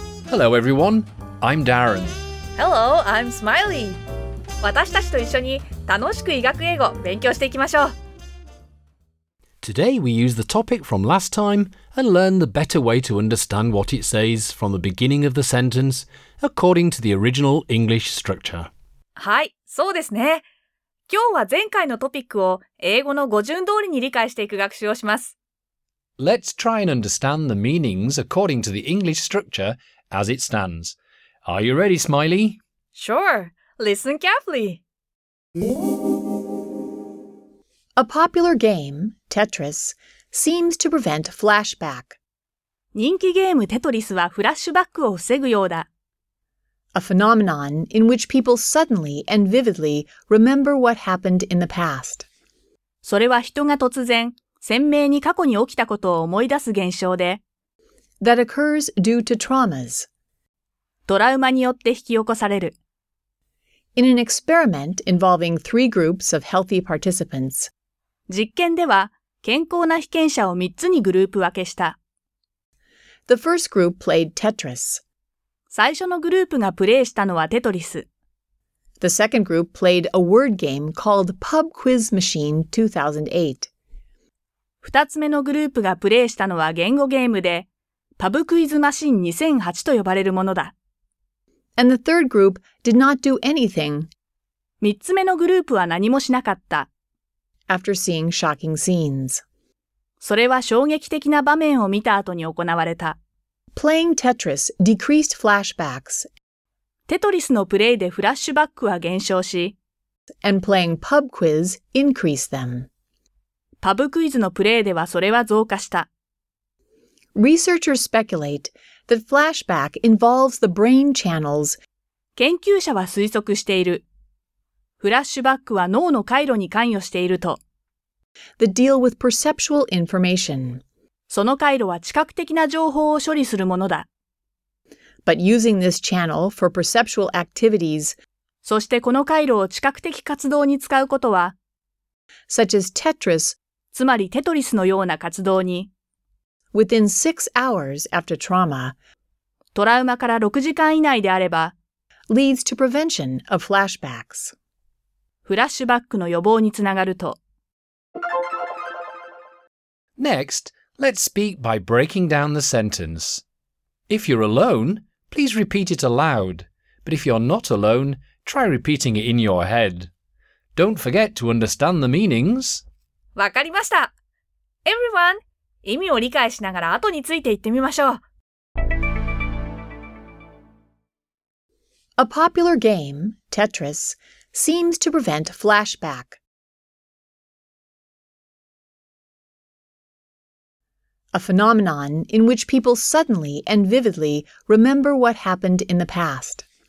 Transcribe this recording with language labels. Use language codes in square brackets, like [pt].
[en] Hello everyone, I'm Darren. Hello, I'm Smiley. [ja] 私たちと一緒に楽しく医学英語勉強していきましょう。 [en] Today we use the topic from last time and learn the better way to understand what it says from the beginning of the sentence according to the original English structure. [ja] はい、そうですね。今日は前回のトピックを英語の語順通りに理解していく学習をします。 [en] Let's try and understand the meanings according to the English structure as it stands. Are you ready, Smiley? Sure. Listen carefully. A popular game, Tetris, seems to prevent flashback. [ja] 人気ゲームテトリスはフラッシュバックを防ぐようだ。 [en] A phenomenon in which people suddenly and vividly remember what happened in the past. [ja] それは人が突然、鮮明に過去に起きたことを思い出す現象で。 [en] That occurs due to traumas. [ja] トラウマによって引き起こされる。 [en] In an experiment involving three groups of healthy participants, [ja] 実験では健康な被験者を三つにグループ分けした。 [en] The first group played Tetris. [ja] 最初のグループがプレイしたのはテトリス。 [en] The second group played a word game called Pub Quiz Machine 2008. [ja] 二つ目のグループがプレイしたのは言語ゲームで、パブクイズマシン2008と呼ばれるものだ。 [en] And the third group did not do anything. [ja] 三つ目のグループは何もしなかった。 [en] After seeing shocking scenes. [ja] それは衝撃的な場面を見た後に行われた。 [en] Playing Tetris decreased flashbacks. [ja] テトリスのプレイでフラッシュバックは減少し、 [en] And playing pub quiz increased them. [ja] パブクイズのプレイではそれは増加した。 [en] Researchers speculate that flashback involves the brain channels. [ja] 研究者は推測している。フラッシュバックは脳の回路に関与していると。 [en] That deal with perceptual information. [ja] その回路は知覚的な情報を処理するものだ。 [en] But using this channel for perceptual activities. [ja] そしてこの回路を知覚的活動に使うことは、 [en] Such as Tetris. [ja] つまりテトリスのような活動に、 [en] Within 6 hours after trauma, [ja] トラウマから6時間以内であれば、 [en] leads to prevention of flashbacks. [ja] フラッシュバックの予防につながると。 [en] Next, let's speak by breaking down the sentence. If you're alone, please repeat it aloud. But if you're not alone, try repeating it in your head. Don't forget to understand the meanings. [ja] わかりました。 [en] Everyone! [ja] 意味を理解しながら後について言ってみましょう。 [en] A popular game, Tetris, seems to prevent flashback. A phenomenon in which people suddenly and vividly remember what happened in the past.